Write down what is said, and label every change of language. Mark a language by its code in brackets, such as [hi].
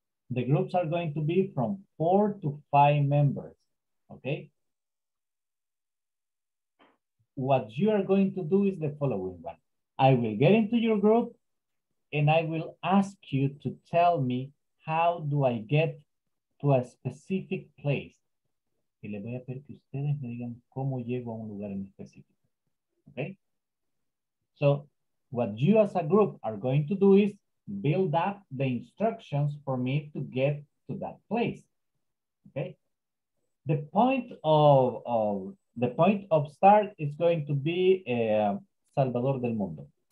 [en] The groups are going to be from 4 to 5 members, okay? What you are going to do is the following one. I will get into your group and I will ask you to tell me how do I get to a specific place. [es] Y les voy a pedir que ustedes me digan cómo llego a un lugar en específico, okay? [en] So what you as a group are going to do is build up the instructions for me to get to that place, okay? The point of start is going to be Salvador del Mundo.